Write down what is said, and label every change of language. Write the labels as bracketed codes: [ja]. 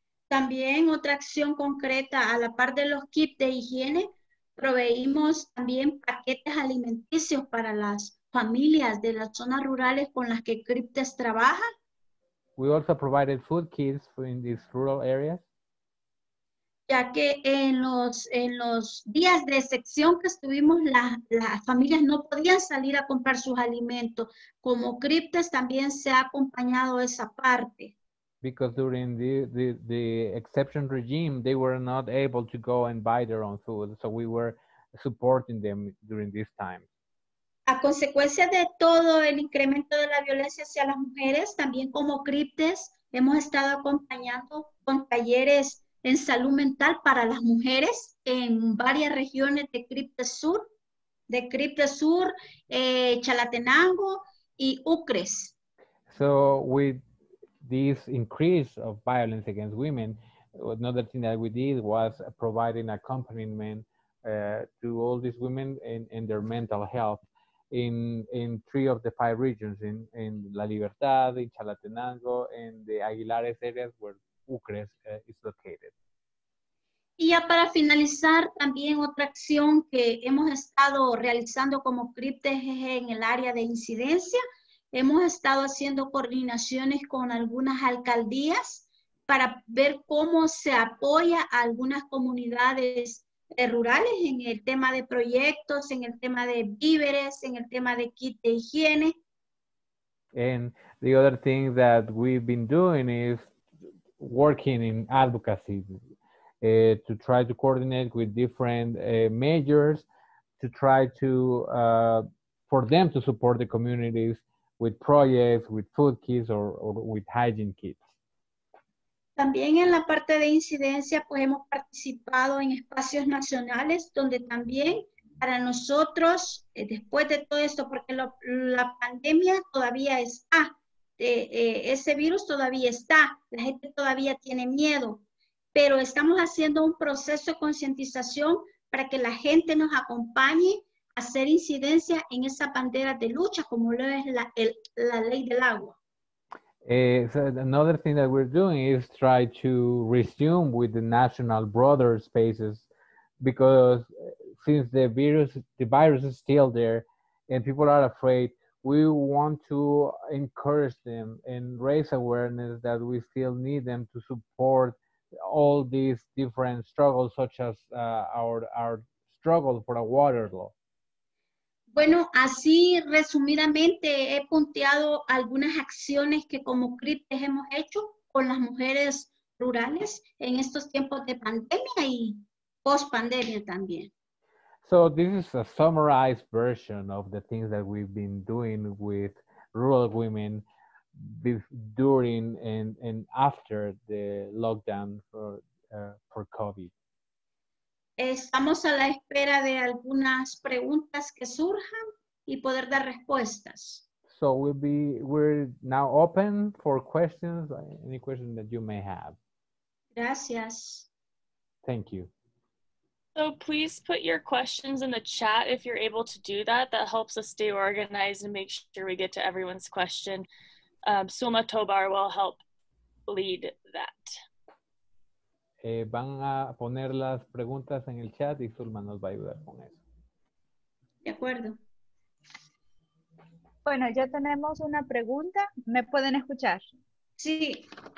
[es] También otra acción concreta, a la par de los kits de higiene, proveímos también paquetes alimenticios para las familias de las zonas rurales con las que CRIPTES trabaja. [en] We also provided food kits in these rural areas. [es] Ya que en los días de excepción que estuvimos, las familias no podían salir a comprar sus alimentos. Como CRIPTES también se ha acompañado esa parte. [en] Because during the exception regime, they were not able to go and buy their own food. So we were supporting them during this time. [es] A consecuencia de todo el incremento de la violencia hacia las mujeres, también como CRIPTES hemos estado acompañando con talleres en salud mental para las mujeres en varias regiones de CRIPTES Sur, Chalatenango y Ucres. [en] So with this increase of violence against women, another thing that we did was providing accompaniment to all these women in their mental health in three of the five regions, in La Libertad, in Chalatenango, and the Aguilares areas where Ucres is located. [es] Y ya para finalizar, también otra acción que hemos estado realizando como CRIPTES es en el área de incidencia. Hemos estado haciendo coordinaciones con algunas alcaldías para ver cómo se apoya a algunas comunidades rurales en el tema de proyectos, en el tema de víveres, en el tema de kit de higiene. [en] And the other thing that we've been doing is working in advocacy. To try to coordinate with different mayors, to try to, for them to support the communities with projects, with food kits, or with hygiene kits. [es] También en la parte de incidencia, pues hemos participado en espacios nacionales, donde también para nosotros, después de todo esto, porque la pandemia todavía está, ese virus todavía está, la gente todavía tiene miedo. Pero estamos haciendo un proceso de concientización para que la gente nos acompañe a hacer incidencia en esa bandera de lucha, como lo es la ley del agua. [en] So another thing that we're doing is try to resume with the national broader spaces, because since the virus is still there and people are afraid, we want to encourage them and raise awareness that we still need them to support all these different struggles, such as our struggle for a water law. [es] Bueno, así resumidamente he punteado algunas acciones que como CRIPTES hemos hecho con las mujeres rurales en estos tiempos de pandemia y post-pandemia también. [en] So this is a summarized version of the things that we've been doing with rural women during and after the lockdown for COVID. [es] Estamos a la espera de algunas preguntas que surjan y poder dar respuestas. [en] So we're now open for questions, any question that you may have. [es] Gracias. [en] Thank you. So please put your questions in the chat if you're able to do that. That helps us stay organized and make sure we get to everyone's question. Suma Tobar will help lead that. [es] Van a poner las preguntas en el chat y Suma nos va a ayudar con eso. De acuerdo. Bueno, ya tenemos una pregunta. ¿Me pueden escuchar? Sí.